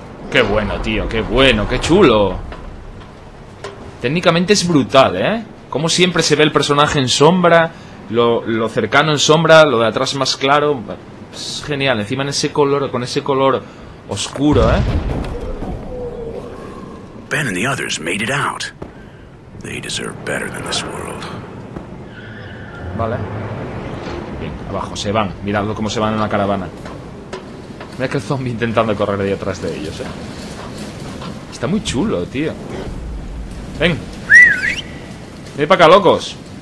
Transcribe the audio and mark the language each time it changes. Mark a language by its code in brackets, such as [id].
[es] Qué bueno, tío. Qué bueno. Qué chulo. Técnicamente es brutal, ¿eh? Como siempre se ve el personaje en sombra. Lo cercano en sombra. Lo de atrás más claro. Es genial. Encima en ese color, con ese color oscuro, ¿eh? [en] Ben and the others made it out. They deserve better than this world. [es] Vale. Bien, abajo, se van. Miradlo como se van en la caravana. Mira que el zombie intentando correr ahí atrás de ellos, ¿eh? Está muy chulo, tío. Ven. Ven para acá, locos.